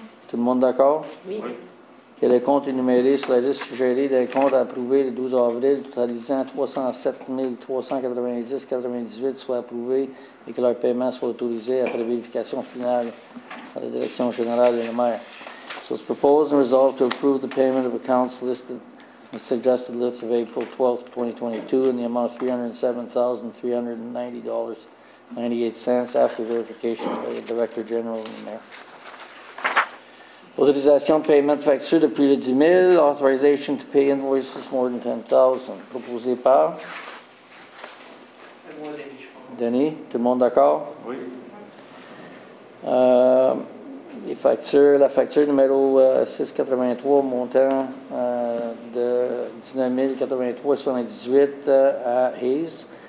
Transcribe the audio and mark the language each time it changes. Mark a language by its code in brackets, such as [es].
[fr] Tout le monde d'accord? Oui. Que les comptes énumérés sur la liste suggérée des comptes approuvés le 12 avril, totalisant 307 390,98, soient approuvés et que leur paiement soit autorisé après vérification finale par la Direction générale et le maire. [en] So it's proposed and resolved to approve the payment of accounts listed in the suggested list of April 12, 2022, in the amount of $307,390 $0.98 after verification by the Director General and the Mayor. [fr] Autorisation de paiement de factures de plus de 10 000. [en] Authorization to pay invoices more than 10,000. [fr] Proposé par? Denis, tout le monde d'accord? Oui. Les factures, la facture numéro 683, montant de 19,083,78 à Hayes.